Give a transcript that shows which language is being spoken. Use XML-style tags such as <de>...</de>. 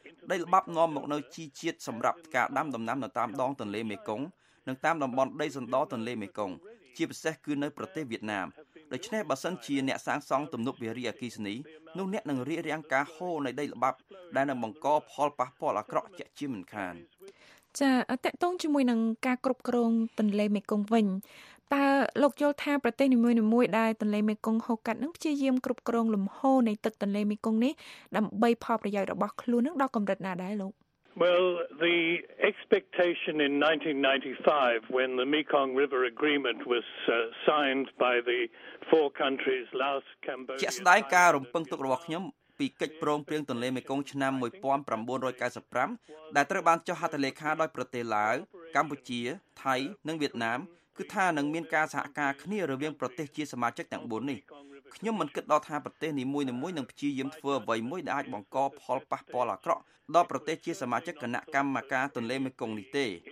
<km>ដីល្បាប់នាំមកនៅជីជាតិសម្រាប់ការដាំដំណាំនៅតាមដងទន្លេមេគង្គនិងតាមតំបន់ដីសណ្ដទន្លេមេគង្គជាពិសេសគឺនៅប្រទេសវៀតណាមដូច្នេះបើសិនជាអ្នកសាងសង់ទំនប់វារីអគ្គិសនីនោះអ្នកនឹងរារាំងការហូរនៃដីល្បាប់ដែលនឹងបង្កផលប៉ះពាល់អាក្រក់ជាក់ជាមិនខាន ចាអតតងជាមួយនឹងការគ្រប់គ្រងទន្លេមេគង្គវិញតើលោកយល់ថាប្រទេសនីមួយៗដែលទន្លេមេគង្គហូរកាត់នឹងព្យាយាមគ្រប់គ្រងលំហូរនៃទឹកទន្លេមេគង្គនេះដើម្បីផលប្រយោជន៍របស់ខ្លួននឹងដល់កម្រិតណាដែរលោក</km> <en>Well the expectation in 1995 when the Mekong River Agreement was signed by the four countries Laos Cambodia</en> <km>ជាស្ដាយការរំពឹងទុករបស់ខ្ញុំពីកិច្ចព្រមព្រៀងទន្លេមេគង្គឆ្នាំ1995ដែលត្រូវបានចុះហត្ថលេខាដោយប្រទេសឡាវកម្ពុជាថៃនិងវៀតណាមគឺថានឹងមានការសហការគ្នារវាងប្រទេសជាសមាជិកទាំង4នេះខ្ញុំមិនគិតដល់ថាប្រទេសនីមួយៗនឹងព្យាយាមធ្វើអ្វីមួយដែលអាចបង្កផលប៉ះពាល់អាក្រក់ដល់ប្រទេសជាសមាជិកគណៈកម្មការទន្លេមេគង្គនេះទេ</km>